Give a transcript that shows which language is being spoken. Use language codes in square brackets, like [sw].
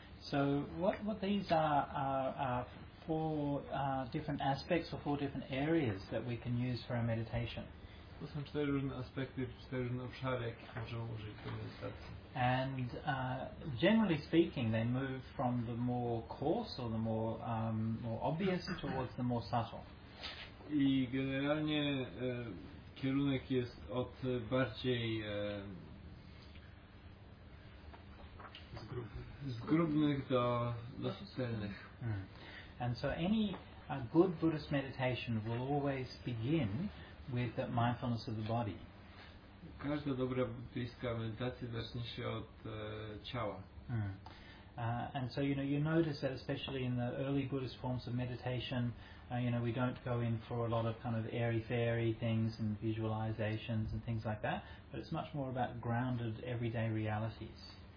[en] So what these are four different aspects or four different areas that we can use for our meditation. [pl] To są cztery różne aspekty, cztery różne obszary, jakie możemy użyć do medytacji. [en] And generally speaking, they move from the more coarse or the more more obvious towards the more subtle. [pl] I generalnie kierunek jest od bardziej zgrubnych do subtelnych. [en] And so any good Buddhist meditation will always begin with the mindfulness of the body. [pl] Każda dobra buddyjska medytacja zacznie się od ciała. [en] And so you notice that especially in the early Buddhist forms of meditation, we don't go in for a lot of kind of airy-fairy things and visualizations and things like that, but it's much more about grounded everyday realities.